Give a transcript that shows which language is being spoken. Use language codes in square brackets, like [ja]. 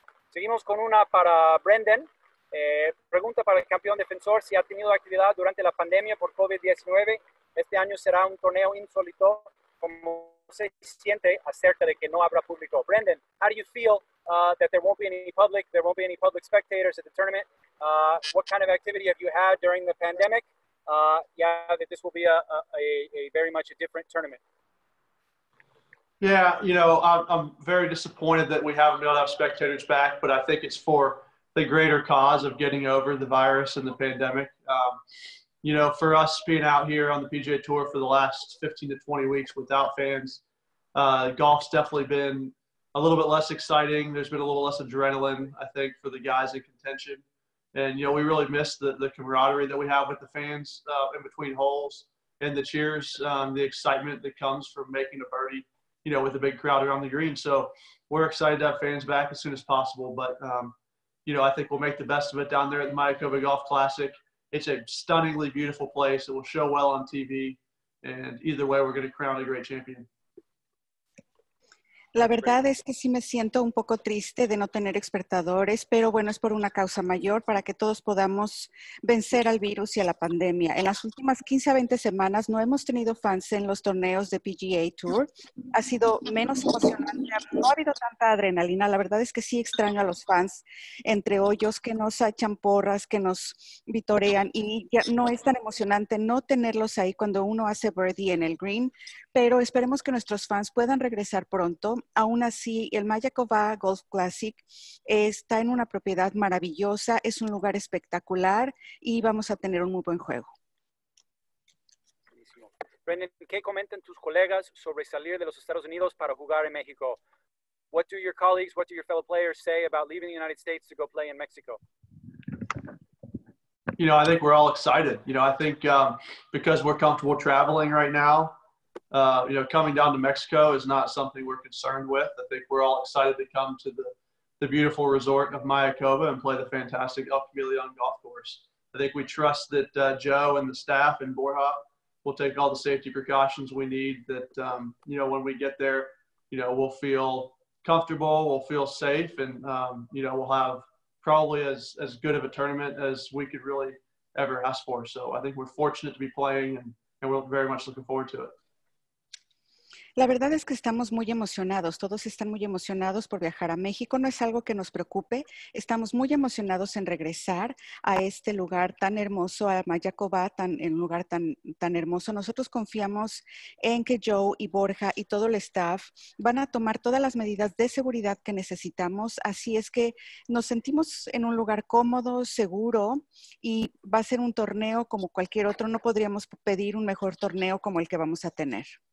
[es] Seguimos con una para Brendan. Pregunta para el campeón defensor si ha tenido actividad durante la pandemia por COVID-19. Este año será un torneo insólito. ¿Cómo se siente acerca de que no habrá público? [en] Brendan, how do you feel that there won't be any public, there won't be any public spectators at the tournament? What kind of activity have you had during the pandemic? That this will be a very much a different tournament. Yeah, you know, I'm very disappointed that we haven't been able to have spectators back, but I think it's for the greater cause of getting over the virus and the pandemic. You know, for us being out here on the PGA Tour for the last 15 to 20 weeks without fans, golf's definitely been a little bit less exciting. There's been a little less adrenaline, I think, for the guys in contention. And, you know, we really miss the camaraderie that we have with the fans in between holes and the cheers, the excitement that comes from making a birdie, you know, with a big crowd around the green. So we're excited to have fans back as soon as possible. But, you know, I think we'll make the best of it down there at the Mayakoba Golf Classic. It's a stunningly beautiful place. It will show well on TV. And either way, we're going to crown a great champion. [es] La verdad es que sí me siento un poco triste de no tener expertadores, pero bueno, es por una causa mayor, para que todos podamos vencer al virus y a la pandemia. En las últimas 15 a 20 semanas no hemos tenido fans en los torneos de PGA Tour. Ha sido menos emocionante, no ha habido tanta adrenalina. La verdad es que sí extraño a los fans entre hoyos que nos echan porras, que nos vitorean, y ya no es tan emocionante no tenerlos ahí cuando uno hace birdie en el green, pero esperemos que nuestros fans puedan regresar pronto. Aún así, el Mayakoba Golf Classic está en una propiedad maravillosa, es un lugar espectacular y vamos a tener un muy buen juego. Buenísimo. Brendan, ¿qué comentan tus colegas sobre salir de los Estados Unidos para jugar en México? [en] What do your colleagues, what do your fellow players say about leaving the United States to go play in Mexico? You know, I think we're all excited. You know, I think because we're comfortable traveling right now, you know, coming down to Mexico is not something we're concerned with. I think we're all excited to come to the beautiful resort of Mayakoba and play the fantastic El Camaleon golf course. I think we trust that Joe and the staff and Borja will take all the safety precautions we need, that, you know, when we get there, you know, we'll feel comfortable, we'll feel safe, and, you know, we'll have probably as good of a tournament as we could really ever ask for. So I think we're fortunate to be playing, and we're very much looking forward to it. [es] La verdad es que estamos muy emocionados, todos están muy emocionados por viajar a México, no es algo que nos preocupe, estamos muy emocionados en regresar a este lugar tan hermoso, a Mayakoba, un lugar tan hermoso. Nosotros confiamos en que Joe y Borja y todo el staff van a tomar todas las medidas de seguridad que necesitamos, así es que nos sentimos en un lugar cómodo, seguro, y va a ser un torneo como cualquier otro, no podríamos pedir un mejor torneo como el que vamos a tener.